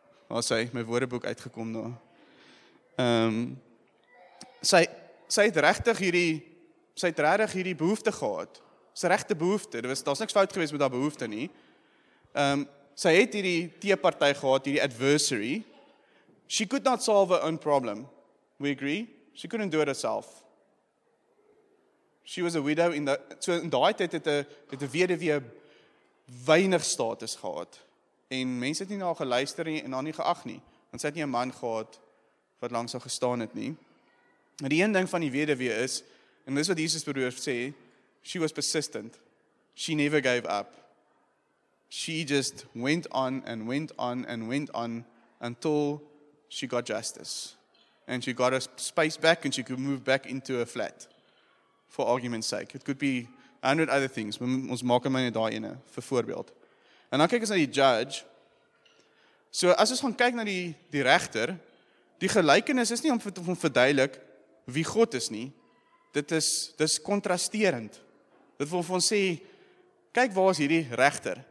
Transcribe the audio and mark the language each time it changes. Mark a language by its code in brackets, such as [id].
[af] Waar sy my woordeboek uitgekom nou. Sy het regtig hierdie behoefte gehad. Sy regte behoefte. Daar's niks fout gewees met haar behoefte nie. Sy het hierdie teepartytjie gehad, hierdie adversary. [en] She could not solve her own problem. We agree. She couldn't do it herself. She was a widow [af] in the so in daai tyd het 'n weduwee weinig status gehad. En mense het nie na haar geluister nie en haar nie geag nie. Want sy het nie 'n man gehad wat langs haar gestaan het nie. Maar die een ding van die weduwee is en dis wat Jesus bedoel sê, [en] she was persistent. She never gave up. She just went on and went on and went on until she got justice. And she got her space back and she could move back into her flat. For argument's sake. It could be 100 other things. [af] Ons maak hom net daai ene, vir voorbeeld. En dan kyk ons na die judge. So as ons gaan kyk na die regter, die gelykenis is nie om verduidelik wie God is nie. Dis kontrasterend. Dit wil vir ons sê, kyk waar is hierdie regter.